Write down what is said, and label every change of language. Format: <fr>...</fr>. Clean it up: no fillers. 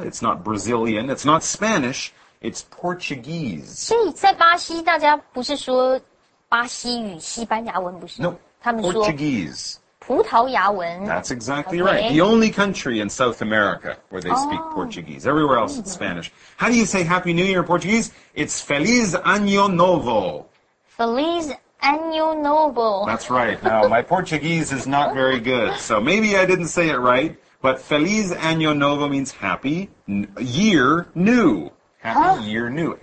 <en>It's not Brazilian. It's not Spanish. It's Portuguese.</en> <zh>所以在巴西大家不是说巴西语西班牙文不是。</zh> <en>No,</en> <zh>他们说</zh> <en>Portuguese.</en> <zh>葡萄牙文</zh> <en>That's exactly right. The only country in South America where they speak Portuguese. Everywhere else it's Spanish. How do you say Happy New Year in Portuguese?</en> <pt>It's Feliz Ano Novo. Feliz Ano Novo.</pt> <en>That's right. Now, my Portuguese is not very good, so maybe I didn't say it right, but</en> <pt>Feliz Ano Novo</pt> <en>means Happy Year New. Happy Year New.</en>